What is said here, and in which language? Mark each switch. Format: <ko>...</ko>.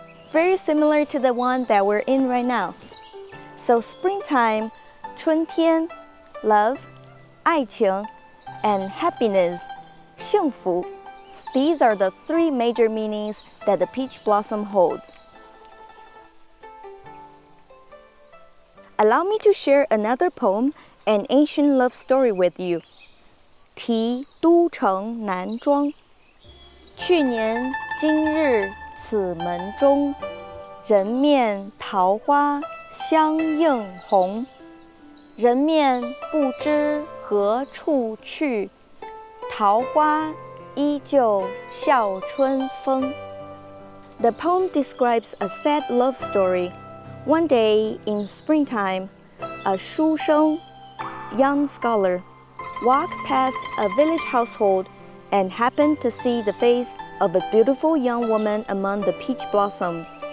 <en>Very similar to the one that we're in right now. So springtime, 春天, love, 爱情, and happiness, 幸福. These are the three major meanings that the peach blossom holds. Allow me to share another poem, an ancient love story with you.</en> <zh>题都城南庄。去年今日此门中，人面桃花相映红。人面不知何处去，桃花依旧笑春风。</zh> <en>The poem describes a sad love story. One day in springtime, a 书生, young scholar, walked past a village household and happened to see the face of a beautiful young woman among the peach blossoms.</en>